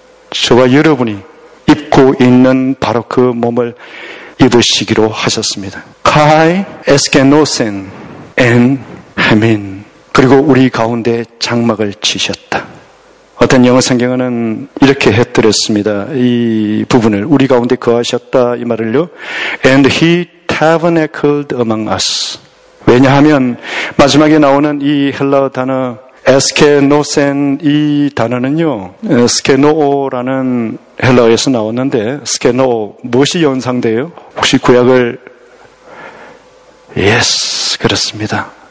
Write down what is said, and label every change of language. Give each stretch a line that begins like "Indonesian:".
Korean: 저와 여러분이 입고 있는 바로 그 몸을 입으시기로 하셨습니다.
Greek: 카이 에스케노센 엔 헤민
Korean: 그리고 우리 가운데 장막을 치셨다. 어떤 영어성경은 이렇게 해드렸습니다. 이 부분을 우리 가운데 거하셨다 이 말을요.
English: And he tabernacled among us.
Korean: 왜냐하면 마지막에 나오는 이 헬라어 단어 에스케노센 이 단어는요. 스케노오라는 헬라어에서 나왔는데 스케노오 무엇이 연상돼요? 혹시 구약을 Yes 그렇습니다.